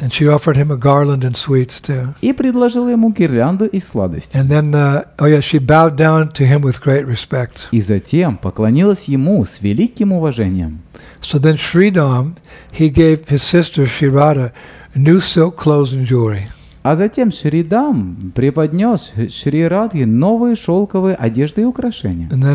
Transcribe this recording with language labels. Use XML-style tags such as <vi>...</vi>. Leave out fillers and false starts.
<en>And she offered him a garland and sweets too.</en> <ru>И предложила ему гирлянду из сладостей.</ru> <en>And then, she bowed down to him with great respect.</en> <ru>И затем поклонилась ему с великим уважением.</ru> <en>So then Shridam, he gave his sister Shirada new silk clothes and jewelry.</en> <ru>А затем Шридам преподнес Шри Радхе новые шелковые одежды и украшения.</ru>